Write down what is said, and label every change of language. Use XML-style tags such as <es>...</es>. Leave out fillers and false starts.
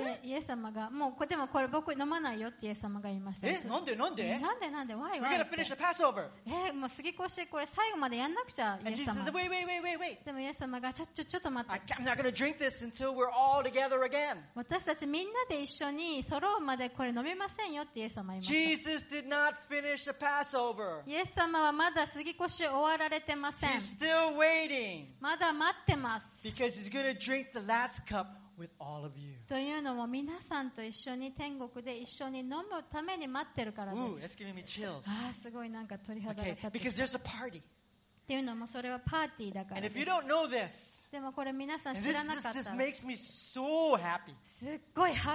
<ja>イエス様がもう、でもこれ僕飲まないよってイエス様が言いました。なんで</ja> <en>why? We're gonna finish the Passover.</en> <ja>もう過ぎ越してこれ最後までやんなくちゃ。</ja> <en>And Jesus says, wait.</en> <ja>でもイエス様がちょっと待って、</ja> <en>I'm not gonna drink this until we're all together again.</en> <ja>私たちみんなで一緒に揃うまでこれ飲みませんよってイエス様が言いました。</ja> <en>Jesus did not finish the Passover. over.</en> <ja>イエス様はまだ過ぎ越し終わられてません。</ja> <en>He's still waiting.</en> <ja>まだ待ってます。</ja> <en>Because he's going to drink the last cup with all of you.</en> <ja>というのも皆さんと一緒に天国で一緒に飲むために待ってるからです。</ja> <en>Ooh, that's giving me chills.</en> <ja>ああ、すごいなんか鳥肌が立って。</ja> <en>Okay, because there's a party.</en> <ja>っていうのもそれはパーティーだからです。でもこれ皆さん知らなかった。すっごいハ</ja>